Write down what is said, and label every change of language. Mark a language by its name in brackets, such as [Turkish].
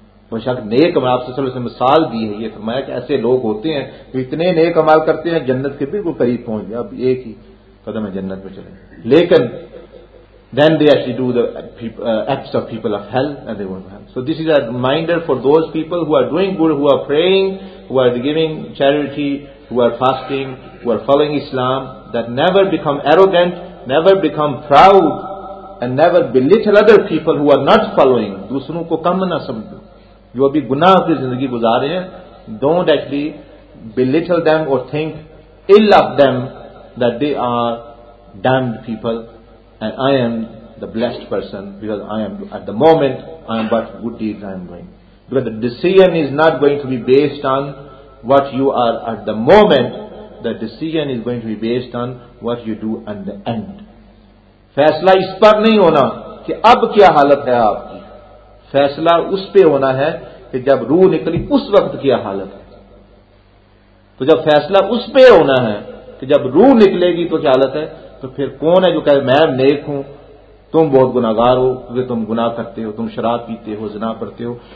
[Urdu] وہ شک نیک عمل, آپ صلی اللہ علیہ وسلم مثال دی ہے یہ, فرمایا کہ ایسے لوگ ہوتے ہیں جو اتنے نیک عمل کرتے ہیں جنت کے بالکل قریب پہنچ گئے, اب ایک ہی قدم ہے جنت میں چلے, لیکن [English] then they actually do the acts of people of hell and they won't have. So this is a reminder for those people who are doing good, who are praying, who are giving charity, who are fasting, who are following Islam, that never become arrogant, never become proud, and never belittle other people who are not following. [Urdu] دوسروں کو کم نہ سمجھو جو ابھی گناہ کی زندگی گزار رہے ہیں. [English] Don't actually belittle them or think ill of them that they are damned people and I am the blessed person because I am at the moment I am but good deeds I am doing. Because the decision is not going to be based on what you are at the moment, the decision is going to be based on what you do at the end. [Urdu] فیصلہ اس پر نہیں ہونا کہ اب کیا حالت ہے آپ کی, فیصلہ اس پہ ہونا ہے کہ جب روح نکلی اس وقت کیا حالت ہے. تو جب فیصلہ اس پہ ہونا ہے کہ جب روح نکلے گی تو کیا حالت ہے, تو پھر کون ہے جو کہے میں نیک ہوں, تم بہت گناہگار ہو کیونکہ تم گناہ کرتے ہو, تم شراب پیتے ہو, زنا کرتے ہو.